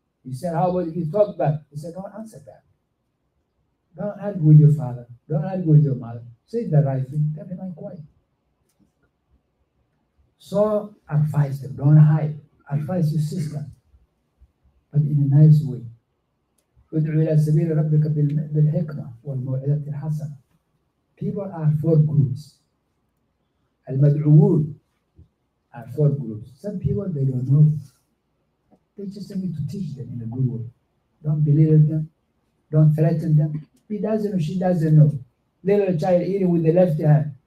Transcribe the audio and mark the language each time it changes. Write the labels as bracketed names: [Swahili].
[English] He said, how about you talk back? He said, don't answer that. Don't argue with your father. Don't argue with your mother. Say the right thing. Then remain quiet. So advise them, don't hide. Advise your sister, but in a nice way. [Arabic] ادعو الى سبيل ربك بالحكمة والموعظة الحسنة. [English] People are four groups. المدعوون are four groups. Some people, they don't know. They just need to teach them in a good way. Don't belittle them. Don't threaten them. He doesn't or she doesn't know. Little child eating with the left hand.